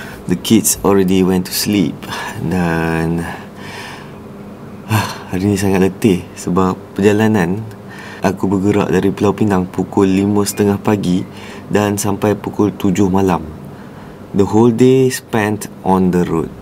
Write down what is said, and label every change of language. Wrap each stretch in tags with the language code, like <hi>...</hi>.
<en>The kids already went to sleep.</en> <ms>Dan hari ni sangat letih sebab perjalanan aku bergerak dari Pulau Pinang pukul 5.30 pagi dan sampai pukul 7 malam.</ms> <en>The whole day spent on the road.</en>